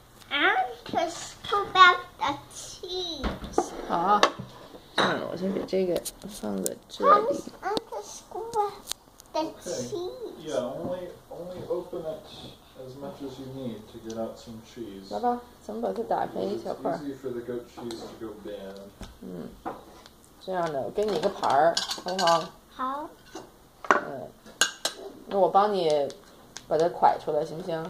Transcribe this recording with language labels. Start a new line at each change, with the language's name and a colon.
English: I want to scoop out the cheese.
Chinese: 好。算了，我先给这个放在这里。
English: I want to scoop out the cheese. Yeah, only open it as much as you need to get out some cheese.
Chinese: 来吧，咱们把它打开一小块。
English: It's easy for the goat cheese to go bad.
Chinese: 这样的，我给你一个盘儿，好不好？好。那我帮你把它拐出来，行不行？